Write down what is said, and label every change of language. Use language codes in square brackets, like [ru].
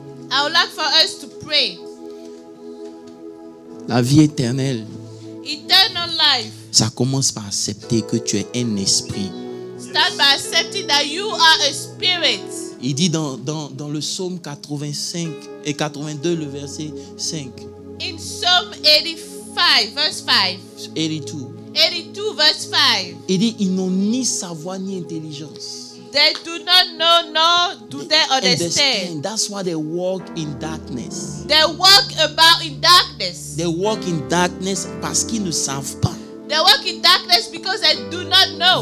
[en] I would like for us to pray. [fr] La vie éternelle. [en] Eternal life. [fr] Ça commence par accepter que tu es un esprit. [en] Start by accepting that you are a spirit. [fr] Il dit dans le psaume 85 et 82 le verset 5. [en] In Psalm 85 verse 5. 82 verse 5. [fr] Il dit ils n'ont ni sa voix ni intelligence. [en] They do not know nor do they understand. That's why they walk in darkness. They walk about in darkness. They walk in darkness [fr] parce qu'ils ne savent pas. [en] They walk in darkness because they do not know.